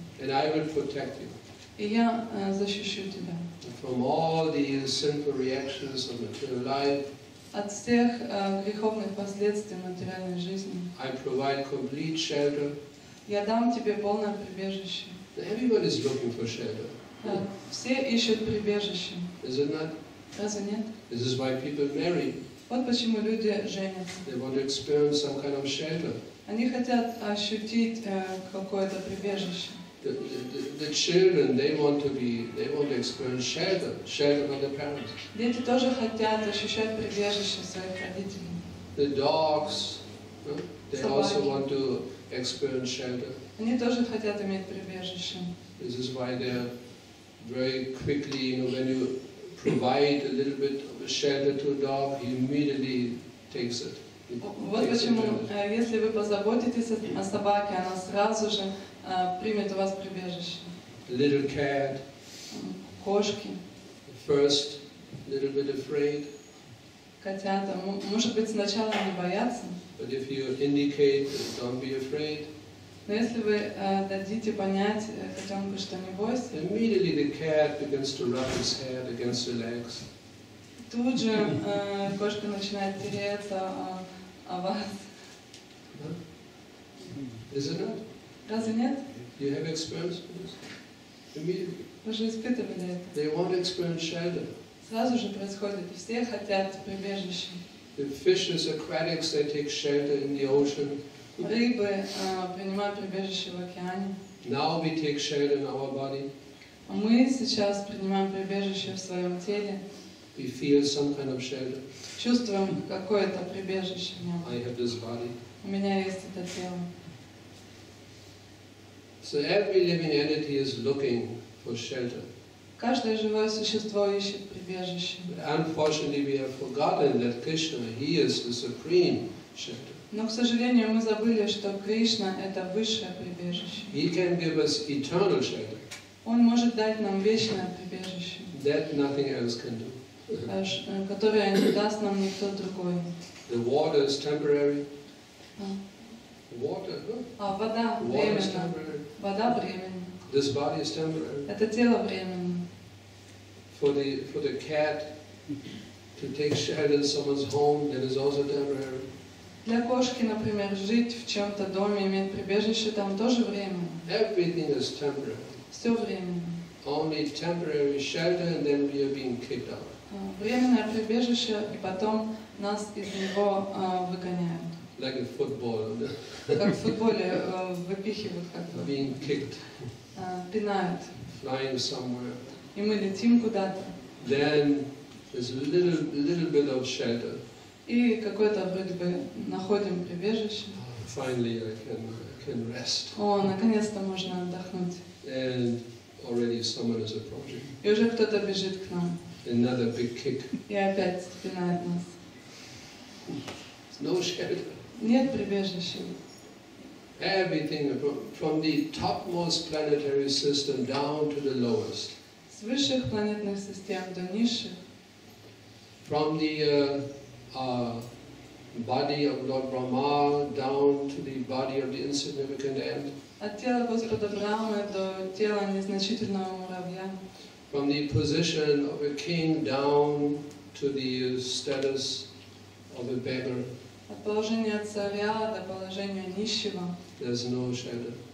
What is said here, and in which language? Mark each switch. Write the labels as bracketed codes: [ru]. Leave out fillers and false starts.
[en] And I will protect you. [ru] И я защищу тебя. [en] From all the sinful reactions of material life. [ru] От всех греховных последствий материальной жизни. [en] I provide complete shelter. [ru] Я дам тебе полное прибежище. [en] Everybody is looking for shelter. [ru] Все ищут прибежище. [en] Is it not? [ru] Разве нет? [en] This is why people marry. [ru] Вот почему люди женятся. [en] They want to experience some kind of shelter. [ru] Они хотят ощутить какое-то прибежище. [en] The children, they want to experience shelter from their parents. [ru] Дети тоже хотят ощущать прибежище своих родителей. [en] The dogs, they Собаки. Also want to experience shelter. [ru] Они тоже хотят иметь прибежище. [en] This is why they're very quickly, you know, when you provide a little bit of a shelter to a dog, he immediately takes it. [ru] Вот почему, если вы позаботитесь о собаке, она сразу же примет у вас прибежище. [en] Little cat. [ru] Кошки. [en] First, a little bit afraid. [ru] Котята, может быть, сначала не боятся. [en] But if you indicate, don't be afraid. [ru] Но если вы дадите понять котенку, что не бойся, [en] immediately the cat begins to rub his head against the legs. [ru] Тут же кошка начинает тереться о вас. [en] Is it not? [ru] Разве нет? [en] You have experience with this? Immediately. [ru] Вы же испытывали это. [en] They want to experience shelter. [ru] Сразу же происходит. Все хотят прибежища. [en] The fishes, aquatics, they take shelter in the ocean. [ru] Рыбы принимают прибежище в океане. [en] Now we take shelter in our body. [ru] Мы сейчас принимаем прибежище в своем теле. [en] We feel some kind of shelter. [ru] Чувствуем какое-то прибежище в нем. [en] I have this body. [ru] У меня есть это тело. [en] So every living entity is looking for shelter. [ru] Каждое живое существо ищет прибежище. [en] But unfortunately, we have forgotten that Krishna, he is the supreme shelter. [ru] Но, к сожалению, мы забыли, что Кришна — это высшее прибежище. [en] He can give us eternal shelter. [ru] Он может дать нам вечное прибежище. [en] That nothing else can do. [ru] Которое не даст нам никто другой. [en] The water is temporary. Water, [ru] А вода временна. Вода временна. [en] This body is temporary. [ru] Это тело временно. [en] For the cat to take shelter in someone's home, that is also temporary. [ru] Для кошки, например, жить в чем-то доме, иметь прибежище, там тоже время. [en] Everything is temporary. [ru] Все временно. [en] Only temporary shelter, and then we are being kicked out. [ru] Временное прибежище, и потом нас из него выгоняют. [en] Like a footballer. [ru] Как в футболе выпихивают как-то. [en] Being kicked. [ru] Пинают. [en] Flying somewhere. [ru] И мы летим куда-то. [en] Then there's a little bit of shelter. [ru] И какое-то вроде бы находим прибежище. [en] Finally, I can rest. [ru] О, наконец-то можно отдохнуть. [en] And already someone is approaching. [ru] И уже кто-то бежит к нам. [en] Another big kick. [ru] И опять пинает нас. [en] No shelter. [ru] Нет прибежища. [en] Everything from the topmost planetary system down to the lowest. [ru] с высших планетных систем до низших. [en] From the body of Lord Brahma down to the body of the insignificant ant. [ru] От тела Господа Брахмы до тела незначительного муравья. [en] From the position of a king down to the status of a beggar. [ru] От положения царя до положения нищего. [en] There's no shadow.